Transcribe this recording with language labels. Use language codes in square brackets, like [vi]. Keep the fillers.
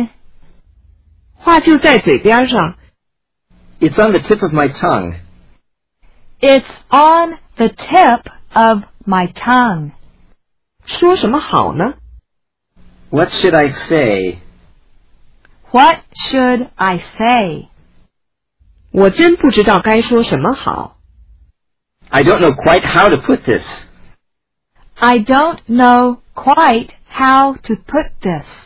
[en] I mean [zh] 话就在嘴边上。 [en] It's on the tip of my tongue. It's on the tip of my tongue. [zh] 说什么好呢 [en] ？What should I say? What should I say? [zh] 我真不知道该说什么好。 [en] I don't know quite how to put this. I don't know quite how to put this.